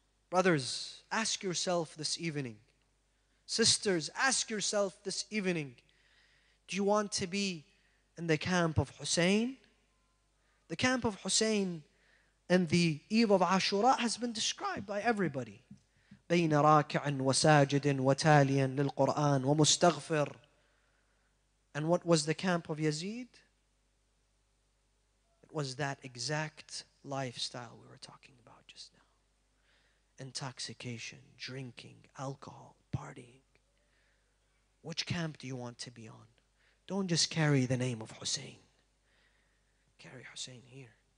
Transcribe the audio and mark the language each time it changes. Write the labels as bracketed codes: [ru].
[en] Brothers, ask yourself this evening, Sisters, ask yourself this evening, do you want to be in the camp of Hussein? The camp of Hussein and the eve of Ashura has been described by everybody. [ar] بين راكع وساجد وتاليا للقرآن ومستغفر. [en] And what was the camp of Yazid? It was that exact lifestyle we were talking about just now. Intoxication, drinking, alcohol, partying. Which camp do you want to be on? Don't just carry the name of Hussein. Carry Hussein here.